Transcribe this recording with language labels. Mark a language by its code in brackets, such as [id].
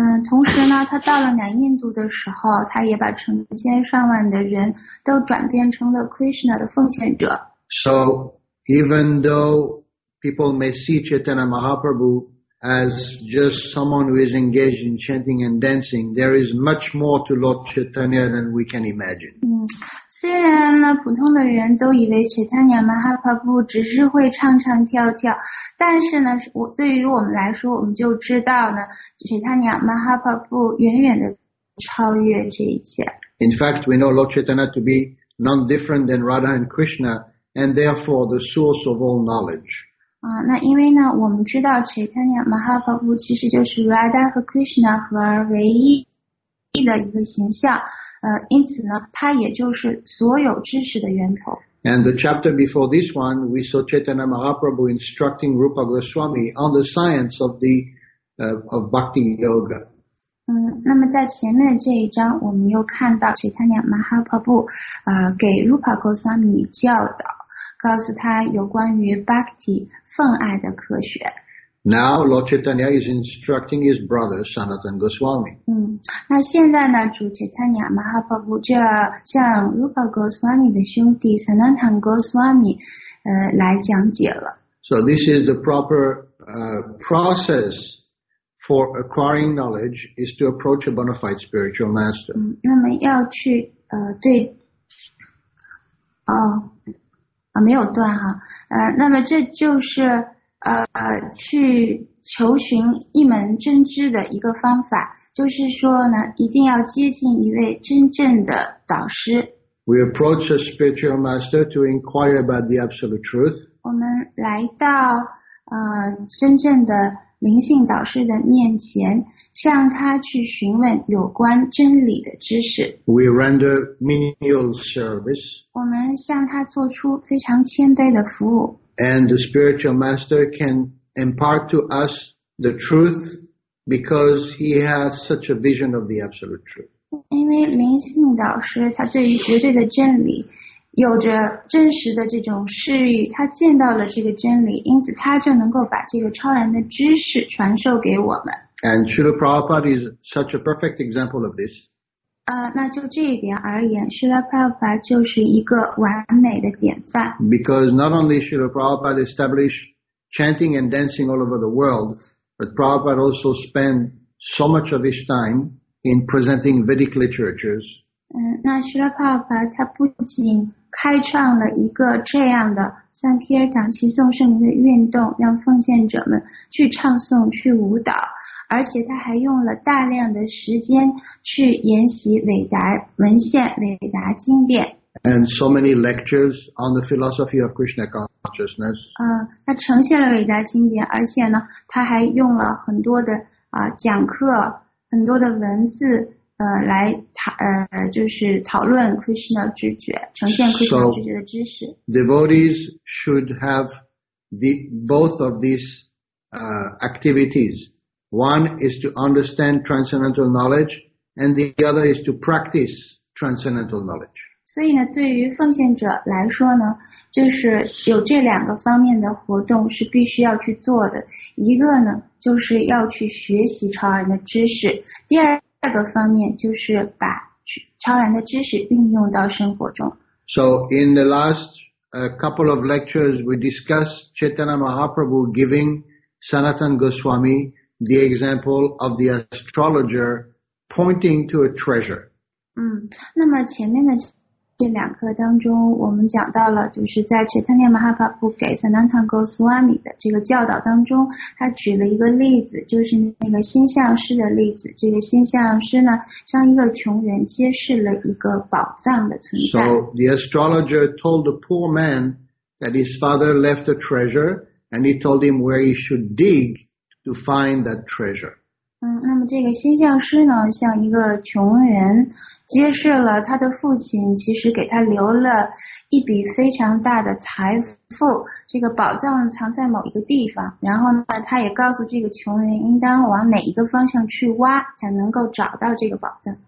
[zh] 同时呢，他到了南印度的时候，他也把成千上万的人都转变成了 Krishna 的奉献者。 [en] So even though people may see Chaitanya Mahaprabhu as just someone who is engaged in chanting and dancing, there is much more to Lord Chaitanya than we can imagine. [zh] 虽然呢，普通的人都以为 Chaitanya Mahaprabhu 只是会唱唱跳跳，但是呢，对于我们来说，我们就知道呢， Chaitanya Mahaprabhu 远远的超越这一切。 [en] In fact, we know Lord Chaitanya to be none different than Radha and Krishna, and therefore the source of all knowledge. [zh] 那因为呢，我们知道 Chaitanya Mahaprabhu 其实就是 Radha 和 Krishna 合而为一。的一个形象，因此呢，它也就是所有知识的源头。 [en] And the chapter before this one, we saw Chaitanya Mahaprabhu instructing Rupa Goswami on the science of the of Bhakti Yoga. [zh] 那么在前面这一章，我们又看到 Chaitanya Mahaprabhu 给 Rupa Goswami 教导，告诉他有关于 Bhakti 奉爱的科学。 [en] Now Lord Chaitanya is instructing his brother Sanatan Goswami. [zh] 那现在呢，主 Chaitanya Mahaprabhu 就要向 Rupa Goswami 的兄弟 Sanatan Goswami 来讲解了。 [en] So this is the proper process for acquiring knowledge is to approach a bona fide spiritual master. [zh] 那么要去对哦没有断哈那么这就是。去求寻一门真知的一个方法，就是说呢，一定要接近一位真正的导师。 [en] We approach a spiritual master to inquire about the absolute truth. [zh] 我们来到真正的灵性导师的面前，向他去询问有关真理的知识。 [en] We render menial service. [zh] 我们向他做出非常谦卑的服务。 [en] And the spiritual master can impart to us the truth because he has such a vision of the absolute truth. [zh] 因为灵性导师他对于绝对的真理有着真实的这种视域，他见到了这个真理，因此他就能够把这个超然的知识传授给我们。 [en] And Srila Prabhupada is such a perfect example of this. [zh] 那就这一点而言 Srila Prabhupada 就是一个完美的典范。 [en] Because not only Srila Prabhupada established chanting and dancing all over the world, but Prabhupada also spent so much of his time in presenting Vedic literatures. [zh] 那 Srila Prabhupada 他不仅开创了一个这样的向提尔党旗颂圣名的运动，让奉献者们去唱诵、去舞蹈，而且他还用了大量的时间去研习韦达文献、韦达经典。 [en] And so many lectures on the philosophy of Krishna consciousness. [zh] 他呈现了韦达经典，而且呢，他还用了很多的讲课、很多的文字。来就是讨论 Krishna 知觉，呈现 Krishna 知觉的知识。 [en] So, devotees should have the both of these activities. One is to understand transcendental knowledge, and the other is to practice transcendental knowledge. [zh] 所以呢，对于奉献者来说呢，就是有这两个方面的活动是必须要去做的。一个呢，就是要去学习超然的知识。第二个方面就是把超然的知识运用到生活中。 [en] So in the last couple of lectures, we discussed Chaitanya Mahaprabhu giving Sanatan Goswami the example of the astrologer pointing to a treasure. [zh] 那么前面的这两课当中，我们讲到了就是在 Chaitanya Mahaprabhu 给 Sanatan Goswami 的这个教导当中，他举了一个例子，就是那个星象师的例子。这个星象师呢，向一个穷人揭示了一个宝藏的存在。 [en] So the astrologer told the poor man that his father left a treasure, and he told him where he should dig to find that treasure. [zh] 那么这个星象师呢，向一个穷人揭示了他的父亲其实给他留了一笔非常大的财富，这个宝藏藏在某一个地方，然后呢，他也告诉这个穷人应当往哪一个方向去挖才能够找到这个宝藏。